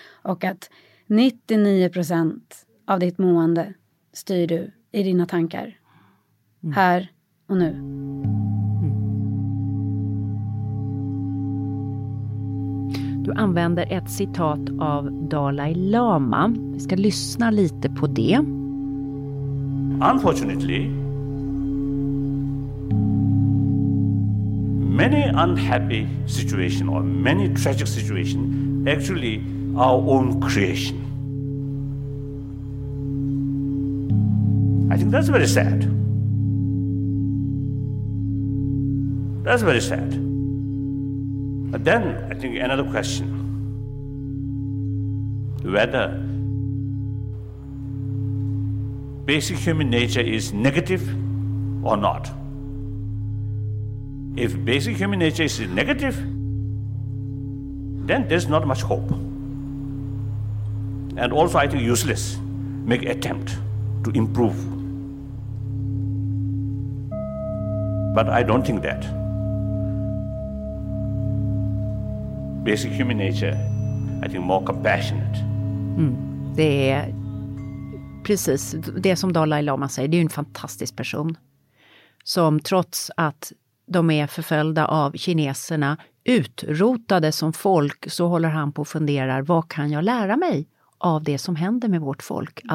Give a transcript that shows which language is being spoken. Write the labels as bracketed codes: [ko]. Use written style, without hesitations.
[sv] Och att 99% av ditt mående styr du i dina tankar. Mm. Här och nu. Du använder ett citat av Dalai Lama. Vi ska lyssna lite på det. [en] Unfortunately, many unhappy situation or many tragic situation actually our own creation. I think that's very sad. That's very sad. But then I think another question. Whether basic human nature is negative or not. If basic human nature is negative, then there's not much hope. And also, I think useless make attempt to improve. But I don't think that. Basic human nature, I think more compassionate. [sv] Det är precis det som Dalai Lama säger, det är en fantastisk person. som trots att de är förföljda av kineserna utrotade som folk, så håller han på och funderar, vad kan jag lära mig av det som händer med vårt folk? Mm.